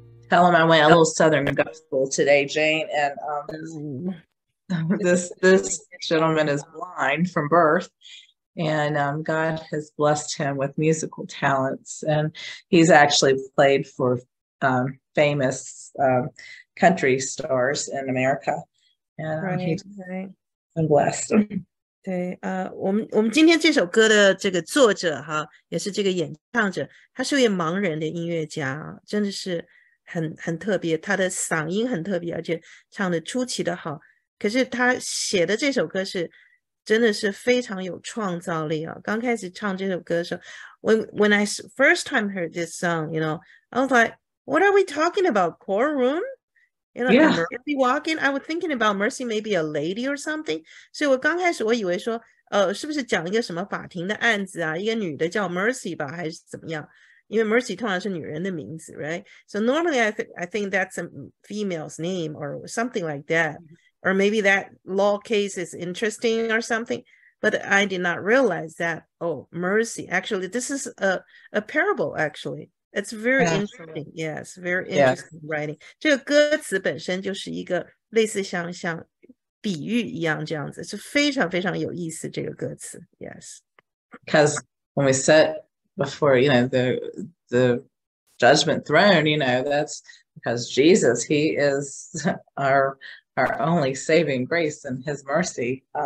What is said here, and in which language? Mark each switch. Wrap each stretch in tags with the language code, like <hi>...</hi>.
<en>little Southern gospel today, Jane, and this gentleman is blind from birth, and God has blessed him with musical talents, and he's actually played for famous country stars in America, and I'm blessed.</en> <zh>对，我们今天这首歌的这个作者哈，也是这个演唱者，他是位盲人的音乐家，真的是很特别，他的嗓音很特别，而且唱的出奇的好。可是他写的这首歌是真的是非常有创造力啊！刚开始唱这首歌的时候</zh> <en>，when I first time heard this song, you know, I was like, what are we talking about? Courtroom? You know, yeah. Mercy walking, I was thinking about Mercy, maybe a lady or something.</en> <zh>所以我刚开始我以为说，是不是讲一个什么法庭的案子啊？一个女的叫 Mercy 吧，还是怎么样？因为 Mercy 通常是女人的名字 ，right?</zh> <en>So normally I think that's a female's name or something like that, or maybe that law case is interesting or something. But I did not realize that. Oh, Mercy. Actually, this is a parable. Actually. It's very interesting. Yes, very interesting writing.</en> <zh>这个歌词本身就是一个类似像比喻一样这样子，是非常非常有意思这个歌词。</zh> <en>Yes, because when we sit before, you know, the judgment throne, you know, that's because Jesus, he is our only saving grace and his mercy.</en>